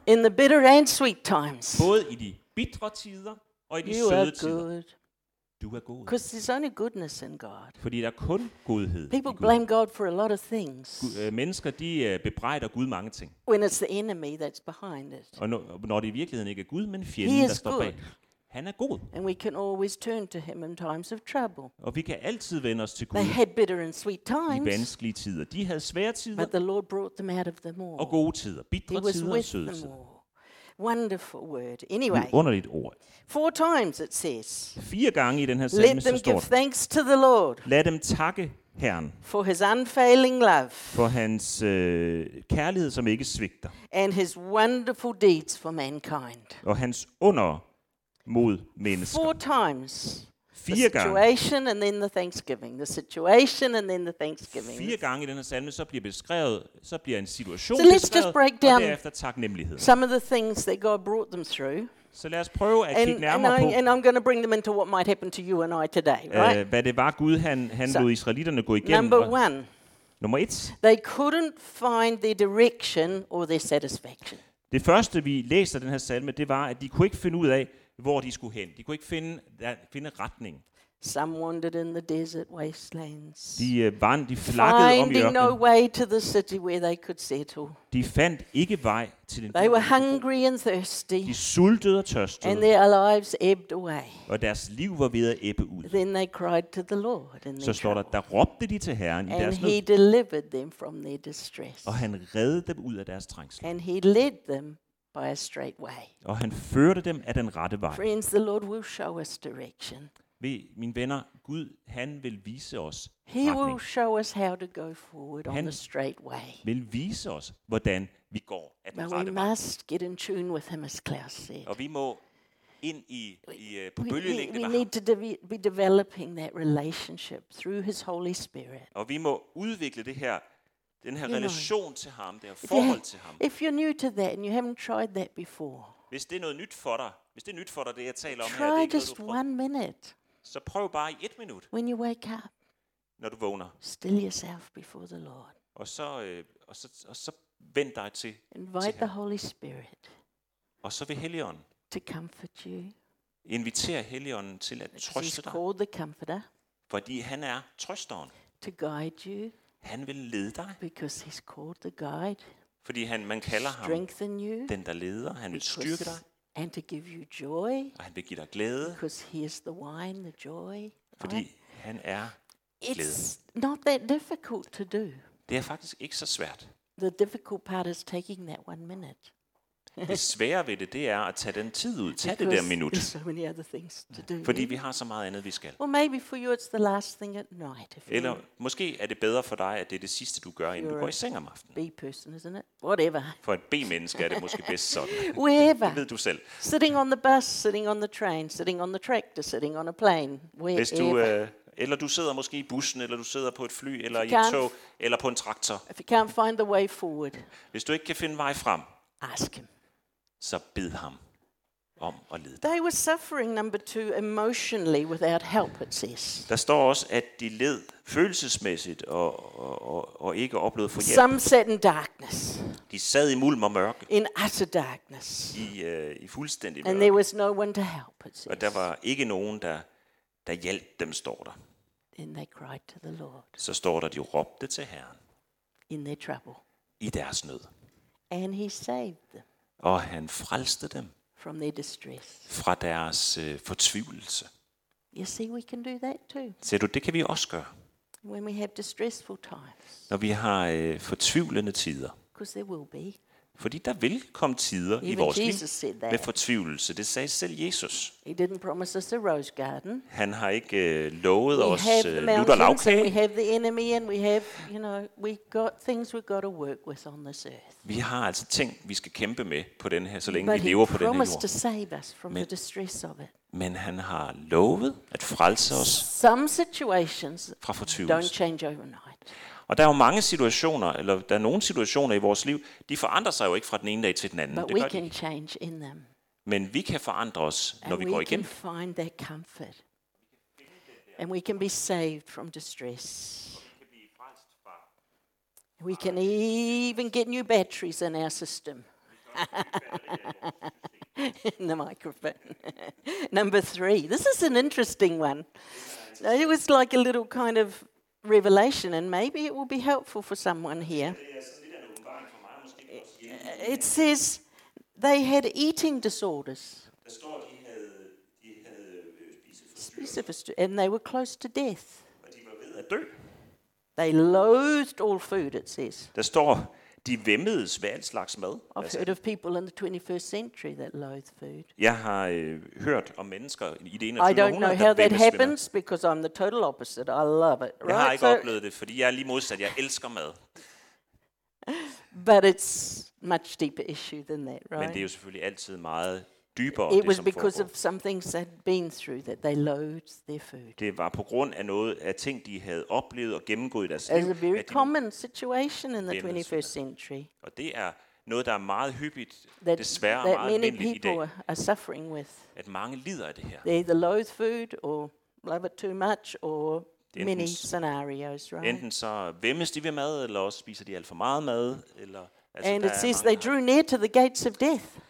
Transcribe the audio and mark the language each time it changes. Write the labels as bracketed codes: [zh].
[en] In the bitter and sweet times. [da] Både i de bitre tider og i de [en] you [da] søde [en] are [da] tider. [en] Good. [da] Du er god. [en] Because there's only goodness in God. [da] Fordi der er kun godhed. [en] People blame God for a lot of things. [da] Mennesker, de bebrejder Gud mange ting. [en] When it's the enemy that's behind it. [da] Og når det i virkeligheden ikke er Gud, men fjenden, der står [en] good. [da] Bag. Han er god. [en] And we can always turn to him in times of trouble. [da] Og vi kan altid vende os til Gud. [en] They had bitter and sweet times. [da] I vanskelige tider. De havde svære tider. [en] But the Lord brought them out of them all. [da] Og gode tider, bitre tider, søde tider. [en] Wonderful word. Anyway. [da] Underligt ord. [en] Four times it says. [da] Fire gange i den her salme står. [en] Let them give thanks to the Lord. [da] Lad dem takke Herren. [en] For his unfailing love. [da] For hans kærlighed, som ikke svigter. [en] And his wonderful deeds for mankind. [da] Og hans under mod mennesker. [en] Four times. [da] Fire gange. [en] Situation and then the thanksgiving. The situation and then the thanksgiving. [da] Fire gange i den her salme så bliver beskrevet, så bliver en situation [en] so [da] beskrevet. [en] Let's just break down [da] og derefter taknemmelighed. [en] Some of the things that God brought them through. [da] Så lad os prøve at kigge nærmere [en] and [da] på. [en] And I'm going to bring them into what might happen to you and I today, right? [da] Hvad det var Gud han lod israeliterne gå igennem. [en] Number one. [da] Nummer et. [en] They couldn't find their direction or their satisfaction. [da] Det første vi læste af den her salme, det var at de kunne ikke finde ud af hvor de skulle hen. De kunne ikke finde retning. [en] Some wandered in the desert wastelands. [da] De flakkede [en] finding [da] om i ørkenen. [en] No way to the city where they could settle. [da] De fandt ikke vej til den. [en] They were hungry and thirsty. [da] De sultede og tørstede. [en] And their lives ebbed away. [da] Og deres liv var ved at ebbe ud. [en] Then they cried to the Lord in their trouble. [da] Så råbte de til Herren i deres nød. [en] And he delivered them from their distress. [da] Og han reddede dem ud af deres trængsel. [en] And he led them by a straight way. [da] Og han førte dem af den rette vej. [en] Friends, the Lord will show us direction. [da] Ved mine venner, Gud, han vil vise os retning. [en] He will show us how to go forward on the straight way. [da] Han vil vise os hvordan vi går af den [en] But [da] rette [en] we [da] vej. [en] We must get in tune with him, as Klaus said. [da] Og vi må ind på bølgelængde med ham. [en] We need to be developing that relationship through his Holy Spirit. [da] Og vi må udvikle det her. Den her relation til ham, det her forhold til ham. [en] If you're new to that and you haven't tried that before. [da] Hvis det er noget nyt for dig, hvis det er nyt for dig, det jeg taler om her, [en] try [da] det er ikke [en] just one minute. [da] Så prøv bare i et minut. [en] When you wake up. [da] Når du vågner. [en] Still yourself before the Lord. [da] Og så vend dig til. [en] Invite [da] til [en] the Holy Spirit. [da] Og så vil Helligånden. [en] To comfort you. [da] Inviter Helligånden til at trøste dig. [en] He's called the comforter. [da] Fordi han er trøsteren. [en] To guide you. [da] Han vil lede dig. [en] Because he's called the guide. [da] Fordi man kalder ham [en] strengthen you. [da] Den der leder, han vil styrke dig. [en] And to give you joy. [da] Og han vil give dig glæde. [en] Because he is the wine, the joy. [da] Fordi han er glæden. [en] It's not that difficult to do. [da] Det er faktisk ikke så svært. [en] The difficult part is taking that one minute. [da] Det svære ved det er at tage den tid ud, tage [en] because [da] det der minut. [en] So many other things to do. [da] Fordi vi har så meget andet vi skal. [en] Well, maybe for you it's the last thing at night. [da] Eller måske er det bedre for dig at det er det sidste du gør inden du går i seng om aftenen. [en] Be person, isn't it? Whatever. [da] For et B-menneske er det måske bedst sådan. [en] Wherever. [da] Det ved du selv. [en] Sitting on the bus, sitting on the train, sitting on the tractor, sitting on a plane. Wherever. [da] Hvis du eller du sidder måske i bussen, eller du sidder på et fly, eller i et tog, eller på en traktor. [en] If you can't find the way forward. [da] Hvis du ikke kan finde vej frem. [en] Ask him. [da] Så bed ham om at lede. [en] They were suffering number two emotionally without help, it says. [da] Der står også, at de led følelsesmæssigt og ikke oplevede for hjælp. [en] Some sat in darkness. [da] De sad i mulm og mørke. [en] In utter darkness. [da] I fuldstændig mørke. [en] And there was no one to help, it says. [da] Og der var ikke nogen der hjalp dem, står der. [en] Then they cried to the Lord. [da] Så står der, de råbte til Herren. [en] In their trouble. [da] I deres nød. [en] And he saved them. [da] Og han frelste dem [en] from their distress. [da] Fra deres fortvivlelse. [en] You see, we can do that too. [da] Ser du, det kan vi også gøre. [en] When we have distressful times. [da] Når vi har fortvivlende tider. [en] Because there will be. [da] Fordi der vil komme tider i vores Jesus liv med fortvivlelse. Det sagde selv Jesus. [en] He didn't promise us a rose garden. [da] Han har ikke lovet os lutter lavkage. [en] We have the enemy and we have, you know, we got things we got to work with on this earth. [da] Vi har altså ting vi skal kæmpe med på den her, så længe vi lever på den her jord. [en] To save us from the distress of it. [da] Men han har lovet at frelse os. [en] Some situations [da] fra fortvivlelse [en] don't change overnight. [da] Og der er jo mange situationer, eller der er nogle situationer i vores liv, de forandrer sig jo ikke fra den ene dag til den anden. [en] But we can change in them. [da] Men vi kan forandre os, når [en] and [da] vi går igennem. [en] And we can find that comfort. And we can be saved from distress. We can even get new batteries in our system. In the microphone. Number three. This is an interesting one. It was like a little kind of revelation, and maybe it will be helpful for someone here. It says they had eating disorders. And they were close to death. They loathed all food, it says. [da] Der står, de væmmedes ved alt slags mad. [en] I've heard of people in the 21st century that loathe food. [da] Jeg har hørt om mennesker i det 21. århundrede, [en] I don't know how that happens because I'm the total opposite. I love it. [da] Jeg har ikke oplevet det, fordi jeg er lige modsat. Jeg elsker mad. [en] But it's much deeper issue than that, right? [da] Men det er jo selvfølgelig altid meget dybere. [en] It was because of some things they'd been through that they loathed their food. [da] Det var på grund af noget af ting de havde oplevet og gennemgået i deres liv. [en] It's a very common situation in the 21st century. [da] Og det er noget der er meget hyppigt, desværre meget almindeligt i dag. [en] That many people are suffering with. [da] At mange lider af det her. [en] They either loathe food or love it too much or many scenarios, right? [da] Enten så væmmes de ved mad eller også spiser de alt for meget mad eller altså. [en] And it says they drew near to the gates of death.